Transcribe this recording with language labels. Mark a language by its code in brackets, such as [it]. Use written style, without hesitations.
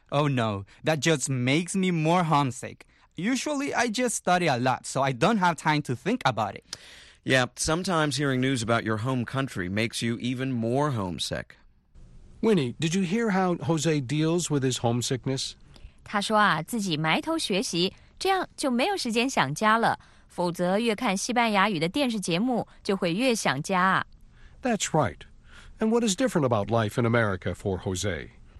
[en] Oh no, that just makes me more homesick. Usually I just study a lot, so I don't have time to think about it. Yeah, sometimes hearing news about your home country makes you even more homesick. Winnie, did you hear how Jose deals with his homesickness? [zh] 他说啊，自己埋头学习，这样就没有时间想家了，否则越看西班牙语的电视节目就会越想家。 [en] That's right. And what is different about life in America for Jose?